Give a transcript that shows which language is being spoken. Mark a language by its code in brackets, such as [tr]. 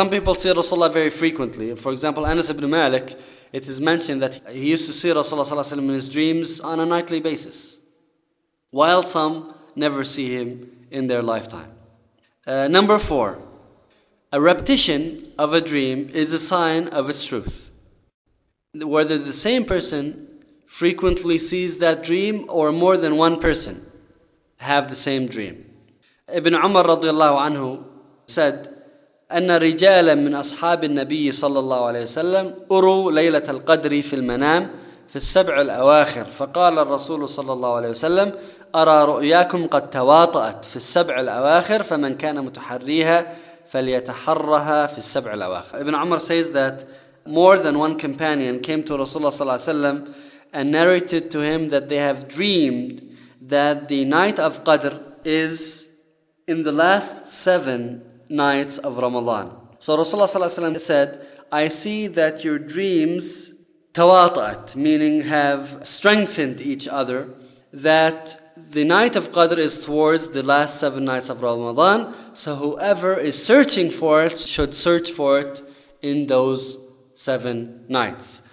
[en] Some people see Rasulullah very frequently. For example, Anas ibn Malik, it is mentioned that he used to see Rasulullah sallallahu alaihi wasallam in his dreams on a nightly basis, while some never see him in their lifetime. Number 4, a repetition of a dream is a sign of its truth. Whether the same person frequently sees that dream or more than one person have the same dream. Ibn Umar radiallahu anhu said, [ar] أن رجالا من أصحاب النبي صلى الله عليه وسلم أروا ليلة القدر في المنام في السبع الأواخر فقال الرسول صلى الله عليه وسلم أرى رؤياكم قد تواطأت في السبع الأواخر فمن كان متحريها فليتحرها في السبع الأواخر. [en] Ibn Umar says that more than one companion came to Rasulullah sallallahu alaihi wasallam and narrated to him that they have dreamed that the night of Qadr is in the last 7 nights of Ramadan. So Rasulullah sallallahu alaihi wasallam said, I see that your dreams tawata'at, meaning have strengthened each other, that the night of Qadr is towards the last 7 nights of Ramadan, so whoever is searching for it should search for it in those 7 nights.